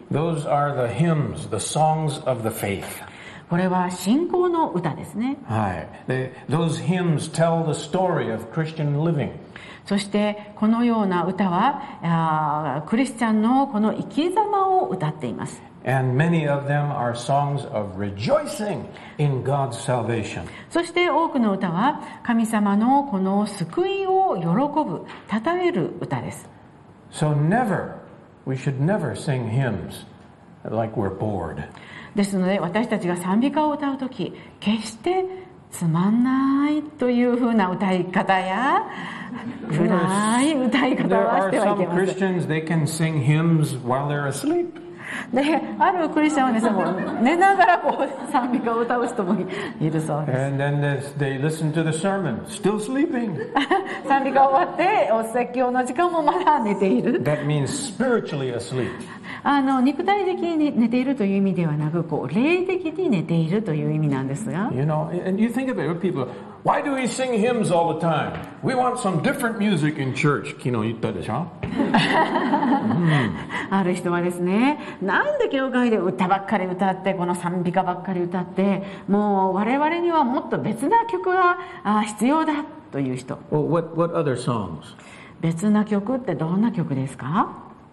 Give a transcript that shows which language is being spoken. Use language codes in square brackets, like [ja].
[en] Those are the hymns, the songs of the faith. [ja] これは信仰の歌ですね。 [en] Those hymns tell the story of Christian living. [ja] そしてこのような歌はクリスチャンのこの生き様を歌っています。 [en] And many of them are songs of rejoicing in God's salvation. [ja] そして多くの歌は神様のこの救いを喜ぶ、讃える歌です。 [en] So never, we should never sing hymns like we're bored. [ja] ですので私たちが賛美歌を歌うとき、決してつまんないというふうな歌い方や暗い歌い方はしてはいけません。 [en] There are some Christians, they can sing hymns while they're asleep. [ja] で、あるクリスチャンはですね、もう寝ながらこう賛美歌を歌う人もいるそうです。 [en] And then they listen to the sermon, still sleeping. [ja] 賛美歌終わってお説教の時間もまだ寝ている。 [en] That means spiritually asleep. [ja] 肉体的に寝ているという意味ではなく、こう霊的に寝ているという意味なんですが。 [en] You know, and you think about it, people, why do we sing hymns all the time? We want some different music in church. [ja] 昨日言ったでしょ。ある人はですね、なんで教会で歌ばっかり歌って、この賛美歌ばっかり歌って、もう我々にはもっと別な曲が必要だという人。 [en] What other songs? [ja] 別な曲ってどんな曲ですか？